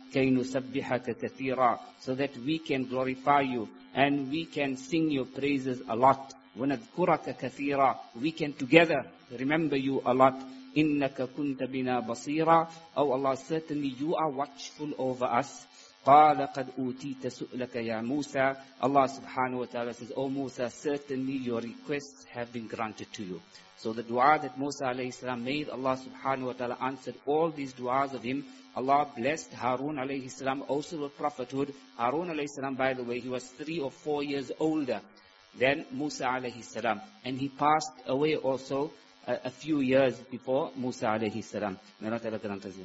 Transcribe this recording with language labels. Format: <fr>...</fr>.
<ar>كَيْ نُسَبِّحَكَ كَثِيرًا.</ar> <en>So that we can glorify you, and we can sing your praises a lot.</en> <ar>وَنَذْكُرَكَ كَثِيرًا.</ar> <en>We can together remember you a lot.</en> <ar>إِنَّكَ كُنْتَ بِنَا بَصِيرًا.</ar> <en>Oh Allah, certainly you are watchful over us.</en> <ar>قال قد أوتيت سؤلك يا موسى.</ar> <en>Allah subhanahu wa ta'ala says, oh Musa, certainly your requests have been granted to you. So the dua that Musa alayhi salam made, Allah subhanahu wa ta'ala answered all these duas of him. Allah blessed Harun alayhi salam also with prophethood. Harun alayhi salam, by the way, he was 3 or 4 years older than Musa alayhi salam, and he passed away also a few years before Musa alayhi salam. May Allah grant us.</en>